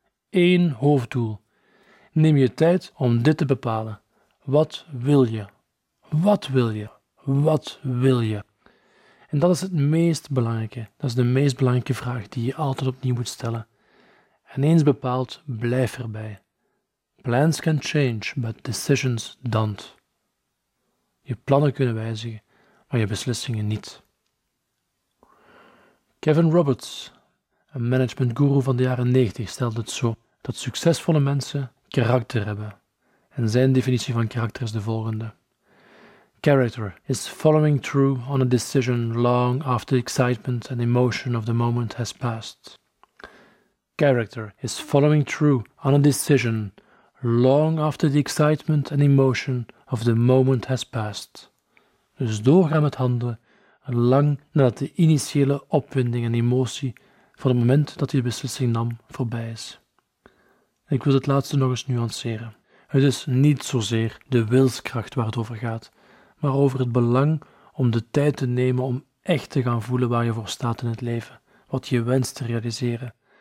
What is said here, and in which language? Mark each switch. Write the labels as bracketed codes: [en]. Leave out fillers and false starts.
[nl] 1 hoofddoel. Neem je tijd om dit te bepalen. Wat wil je? Wat wil je? Wat wil je? En dat is het meest belangrijke. Dat is de meest belangrijke vraag die je altijd opnieuw moet stellen. En eens bepaald, blijf erbij. [en] Plans can change, but decisions don't. [nl] Je plannen kunnen wijzigen, maar je beslissingen niet. Kevin Roberts, een managementguru van de jaren 90, stelde het zo dat succesvolle mensen karakter hebben. En zijn definitie van karakter is de volgende. [en] Character is following through on a decision long after the excitement and emotion of the moment has passed. Character is following through on a decision long after the excitement and emotion of the moment has passed. [nl] Dus doorgaan met handelen, lang nadat de initiële opwinding en emotie van het moment dat je de beslissing nam voorbij is. En ik wil het laatste nog eens nuanceren. Het is niet zozeer de wilskracht waar het over gaat, maar over het belang om de tijd te nemen om echt te gaan voelen waar je voor staat in het leven, wat je wenst te realiseren.